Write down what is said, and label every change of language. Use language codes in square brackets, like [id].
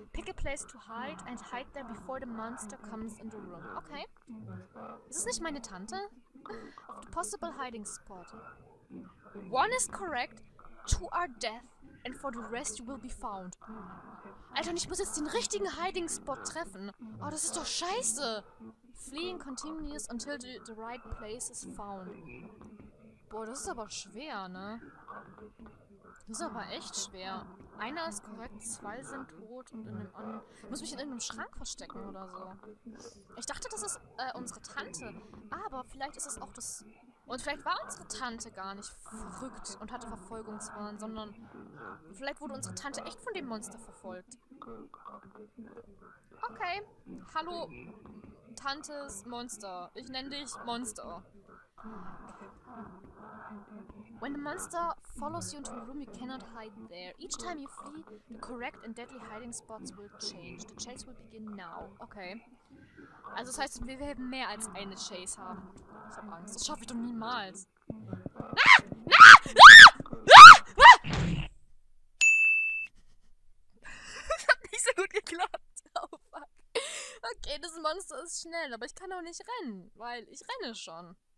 [en] Pick a place to hide and hide there before the monster comes in the room. Okay. [de] Ist das nicht meine Tante? [en] The possible hiding spot. One is correct, two are death, and for the rest you will be found. [de] Alter, und ich muss jetzt den richtigen hiding spot treffen. Oh, das ist doch scheiße. [en] Fleeing continues until the right place is found. [de] Boah, das ist aber schwer, ne? Das ist aber echt schwer. Einer ist korrekt, zwei sind tot und in dem anderen. Muss mich in einem Schrank verstecken oder so. Ich dachte, das ist unsere Tante. Aber vielleicht ist es auch das. Und vielleicht war unsere Tante gar nicht verrückt und hatte Verfolgungswahn, sondern vielleicht wurde unsere Tante echt von dem Monster verfolgt. Okay. Hallo, Tantes Monster. Ich nenne dich Monster. [en] When the monster follows you into a room, you cannot hide there. Each time you flee, the correct and deadly hiding spots will change. The chase will begin now. Okay. [de] Also das heißt, wir werden mehr als eine Chase haben. Ich hab Angst. Das schaffe ich doch niemals. Na! Na! Na! Ich hab nicht so gut geklappt. Oh fuck. Okay, das Monster ist schnell, aber ich kann auch nicht rennen, weil ich renne schon.